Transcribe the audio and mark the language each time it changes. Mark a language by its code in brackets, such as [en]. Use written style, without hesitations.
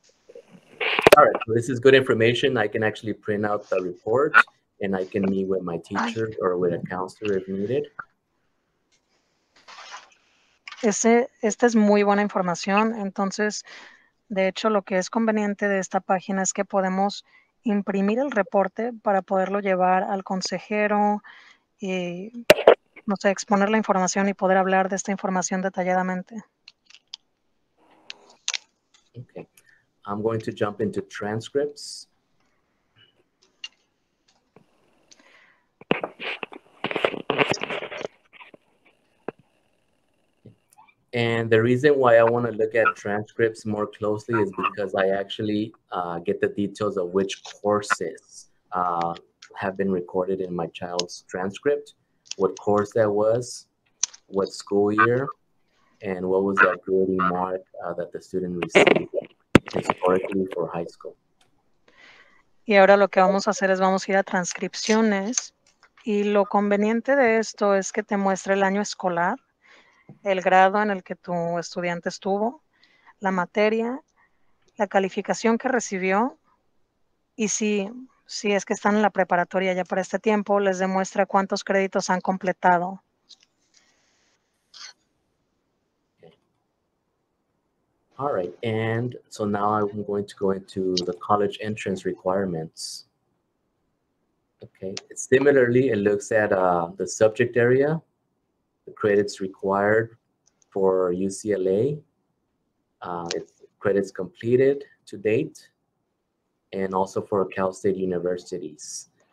[en] Okay. All right, so this is good information. I can actually print out the report and I can meet with my teacher or with a counselor if needed. [es] Esta es muy buena información. Entonces, de hecho, lo que es conveniente de esta página es que podemos imprimir el reporte para poderlo llevar al consejero y, no sé, exponer la información y poder hablar de esta información detalladamente. [en] Okay. I'm going to jump into transcripts. And the reason why I want to look at transcripts more closely is because I actually get the details of which courses have been recorded in my child's transcript, what course that was, what school year, and what was that grading mark that the student received historically for high school. [es] Y ahora lo que vamos a hacer es vamos a ir a transcripciones. Y lo conveniente de esto es que te muestra el año escolar, el grado en el que tu estudiante estuvo, la materia, la calificación que recibió, y si es que están en la preparatoria ya para este tiempo, les demuestra cuántos créditos han completado. [en] Okay. All right, and so now I'm going to go into the college entrance requirements. Okay, similarly, it looks at the subject area, the credits required for UCLA, it's credits completed to date, and also for Cal State universities.